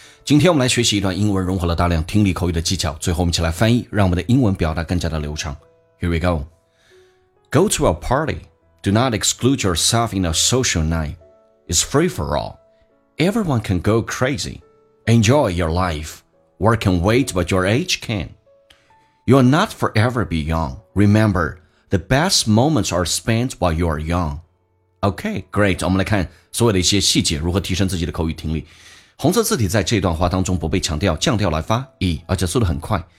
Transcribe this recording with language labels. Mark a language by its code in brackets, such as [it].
[zh] 今天我们来学习一段英文，融合了大量听力口语的技巧，最后我们一起来翻译，让我们的英文表达更加的流畅。 [en] Here we go. Go to a party. Do not exclude yourself in a social night. It's free for all. Everyone can go crazy. Enjoy your life. Work and wait, but your age can. You will not forever be young. Remember,The best moments are spent while you are young. Okay, great. [zh] 我们来看所有的一些细节，如何提升自己的口语听力。红色字体在这段话当中不被强调，降调来发 e， 而且速度很快。